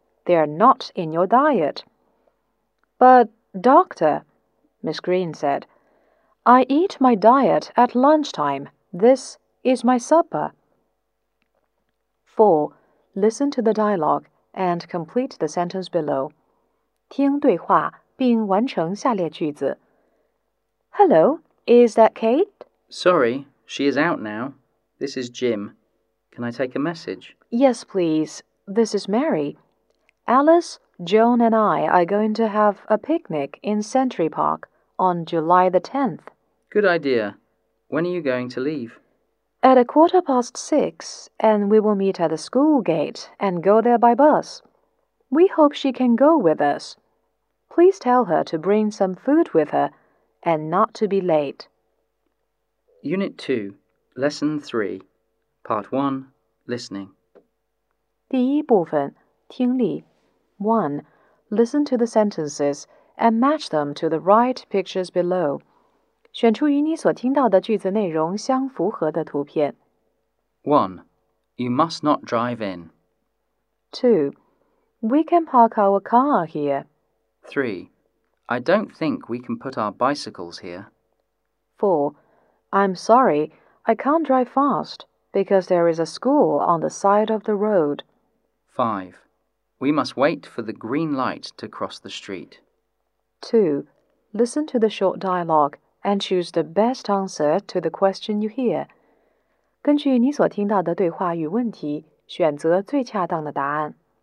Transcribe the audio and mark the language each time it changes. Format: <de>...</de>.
<en>They are not in your diet. But, doctor, Miss Green said, I eat my diet at lunchtime. This is my supper. 4. Listen to the dialogue and complete the sentence below.</en> <zh>听对话并完成下列句子。</zh> <en>Hello, is that Kate? Sorry, she is out now. This is Jim. Can I take a message? Yes, please. This is Mary. Alice, Joan and I are going to have a picnic in Century Park on July the 10th. Good idea. When are you going to leave? At 6:15, and we will meet at the school gate and go there by bus. We hope she can go with us. Please tell her to bring some food with her and not to be late. Unit 2, Lesson 3, Part 1, Listening.</en> <zh>第一部分，听力。</zh> <en>1. Listen to the sentences and match them to the right pictures below.</en> <zh>选出与你所听到的句子内容相符合的图片。</zh> <en>1. You must not drive in. 2. We can park our car here. 3. I don't think we can put our bicycles here. 4. I'm sorry, I can't drive fast because there is a school on the side of the road. 5. We must wait for the green light to cross the street. 2. Listen to the short dialogue and choose the best answer to the question you hear.</en> <zh>根据你所听到的对话与问题，选择最恰当的答案。</zh>